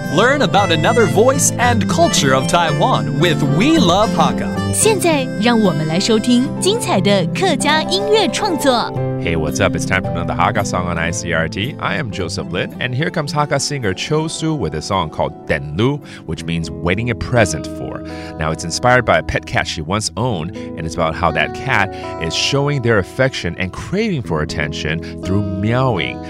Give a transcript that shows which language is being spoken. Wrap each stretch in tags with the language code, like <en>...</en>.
<en>Learn about another voice and culture of Taiwan with We Love Hakka。</en> <zh>现在让我们来收听精彩的客家音乐创作。</zh> <en>Hey, what's up? It's time for another Hakka song on ICRT. I am Joseph Lin, and here comes Hakka singer Cho Su with a song called Den Lu, which means waiting a present for. Now, it's inspired by a pet cat she once owned, and it's about how that cat is showing their affection and craving for attention through meowing.</en>